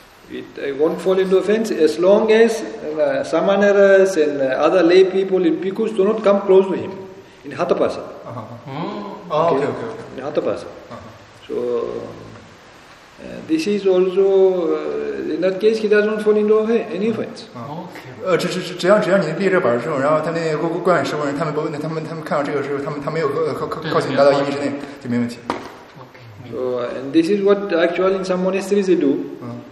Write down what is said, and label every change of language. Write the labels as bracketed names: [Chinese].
[English] It won't fall into offense as long as samaneras and other lay people in bhikkhus do not come close to him in hatapasa. Uh-huh. Okay. Oh, okay. In hatapasa. Uh-huh. So this is also in that case he does not fall into any offense. Uh-huh. Okay. [Chinese] 只要你立着板之后，然后他那些观想师傅，他们看到这个时候，他们没有靠近到一米之内，就没问题。 [English] Okay. So and this is what actually in some monasteries they do. Uh-huh.